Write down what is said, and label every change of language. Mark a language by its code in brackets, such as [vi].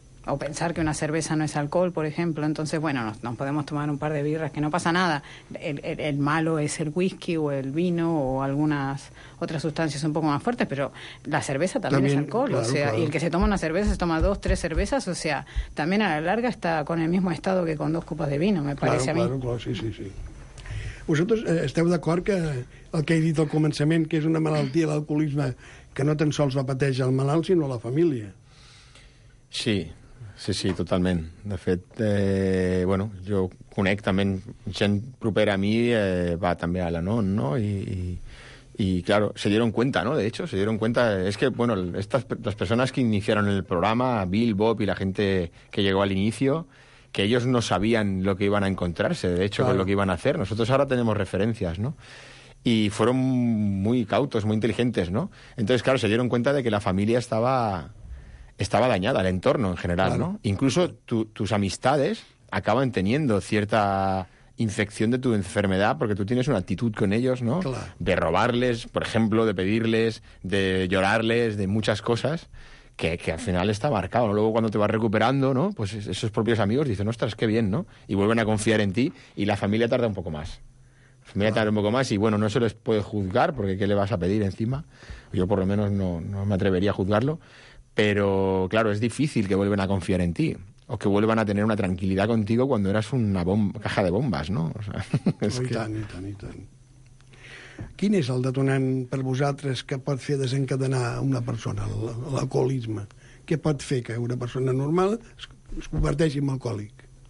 [es] O pensar que una cerveza no es alcohol, por ejemplo. Entonces, bueno, nos podemos tomar un par de birras, que no pasa nada. El malo es el whisky o el vino o algunas otras sustancias un poco más fuertes, pero la cerveza también es alcohol. Claro, o sea, claro. Y el que se toma una cerveza se toma 2-3 cervezas. O sea, también a la larga está con el mismo estado que con 2 copas de vino, me parece claro, a mí. Claro, claro, sí, sí, sí. ¿Vosotros [ca] esteu d'acord que el que he dit al començament, que és una malaltia, l'alcoholisme, que no tan sols la pateix el malalt, sinó la família? Sí. Sí, sí, totalment. De fet, bueno, jo conec també gent propera a mi, va també a l'Anon, no? [es] I, claro, se dieron cuenta, ¿no? De hecho, se dieron cuenta... Es que, bueno, las personas que iniciaron el programa, Bill, Bob y la gente que llegó al inicio, que ellos no sabían lo que iban a encontrarse, de hecho, claro. Con lo que iban a hacer. Nosotros ahora tenemos referencias, ¿no? Y fueron muy cautos, muy inteligentes, ¿no? Entonces, claro, se dieron cuenta de que la familia estaba dañada, el entorno en general, claro. ¿No? Incluso tus amistades acaban teniendo cierta infección de tu enfermedad porque tú tienes una actitud con ellos, ¿no? Claro. De robarles, por ejemplo, de pedirles, de llorarles, de muchas cosas que al final está marcado. Luego cuando te vas recuperando, ¿no? Pues esos propios amigos dicen, ostras, qué bien, ¿no? Y vuelven a confiar en ti y la familia tarda un poco más. Y bueno, no se les puede juzgar porque ¿qué le vas a pedir encima? Yo por lo menos no me atrevería a juzgarlo. Pero, claro, es difícil que vuelvan a confiar en ti. o que vuelvan a tener una tranquilidad contigo cuando eras una caja de bombas, ¿no? O sea, es que... [ca] I tant. Quin és el detonant per vosaltres que pot fer desencadenar una persona, l'alcoholisme? Què pot fer que una persona normal es converteixi en alcohòlic?